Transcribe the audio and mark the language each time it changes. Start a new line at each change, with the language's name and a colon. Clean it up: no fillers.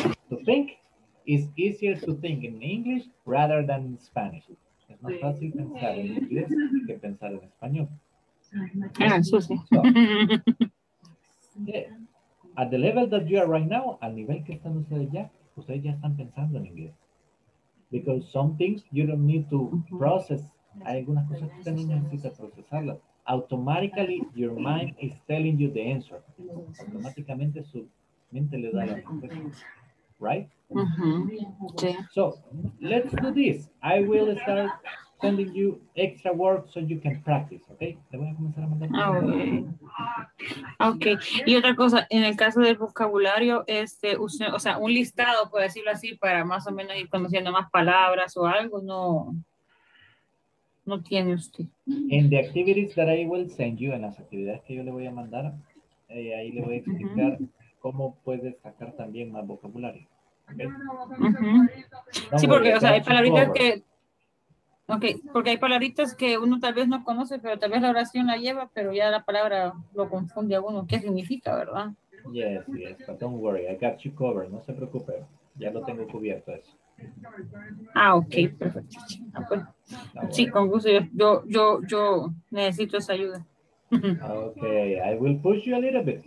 English: To think is easier to think in English rather than in Spanish.
Spanish: Es más fácil pensar en inglés que pensar en español.
English: At the level that you are right now,
Spanish: al nivel que están ustedes ya, ustedes ya están pensando en inglés.
English: Because some things you don't need to process.
Spanish: Hay algunas cosas que usted no necesita procesarlas.
English: Automatically, your mind is telling you the answer.
Spanish: Automáticamente, su mente le da la respuesta.
English: Right? So, let's do this. I will start sending you extra work so you can practice, okay?
Spanish: Le voy a comenzar a mandar.
English: Okay.
Spanish: Y otra cosa, en el caso del vocabulario, usted, o sea, un listado, por decirlo así, para más o menos ir conociendo más palabras o algo, no tiene usted.
English: In the activities that I will send you,
Spanish: en las actividades que yo le voy a mandar, ahí le voy a explicar cómo puede sacar también más vocabulario. Okay? Sí, porque, o sea, hay palabritas que... Ok, porque hay palabritas que uno tal vez no conoce, pero tal vez la oración la lleva, pero ya la palabra lo confunde a uno. ¿Qué significa, verdad?
English: Yes, yes, but don't worry, I got you covered.
Spanish: No se preocupe, ya lo tengo cubierto eso.
English: Ok, yes.
Spanish: Perfecto. Okay. No, sí, con gusto. Yo necesito esa ayuda.
English: Okay, I will push you a little bit.